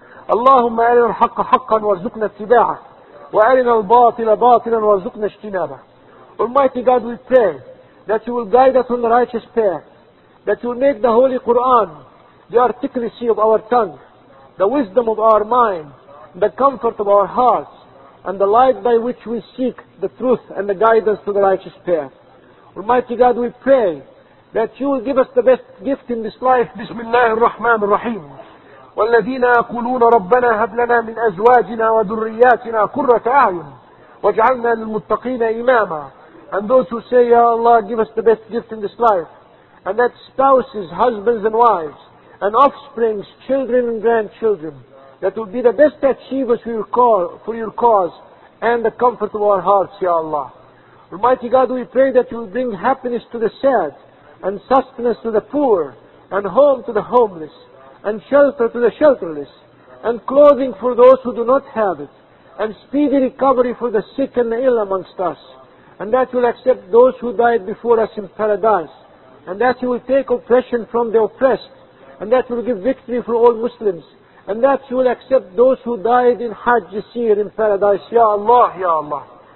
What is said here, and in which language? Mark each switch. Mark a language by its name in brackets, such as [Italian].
[Arabic] اللهم أرنا الحق حقا وارزقنا اتباعه وأرنا الباطل باطلا وارزقنا اجتنابه. [English] Almighty God, we pray that You will guide us on the righteous path, that You will make the Holy Quran the articulacy of our tongue, the wisdom of our mind, the comfort of our hearts, and the light by which we seek the truth and the guidance to the righteous path. Almighty God, we pray that You will give us the best gift in this life. [Arabic] Bismillah ar-Rahman ar-Rahim. والذين يقولون ربنا هب لنا من أزواجنا وذرياتنا قرة أعين واجعلنا للمتقين إماما. [English] And those who say, Ya Allah, give us the best gift in this life, and that spouses, husbands and wives, and offsprings, children and grandchildren, that will be the best achievers for Your cause and the comfort of our hearts, Ya Allah. Almighty God, we pray that You will bring happiness to the sad, and sustenance to the poor, and home to the homeless, and shelter to the shelterless, and clothing for those who do not have it, and speedy recovery for the sick and the ill amongst us, and that will accept those who died before us in paradise, and that You will take oppression from the oppressed, and that will give victory for all Muslims, and that You will accept those who died in Hajj this year in paradise, Ya Allah, Ya Allah.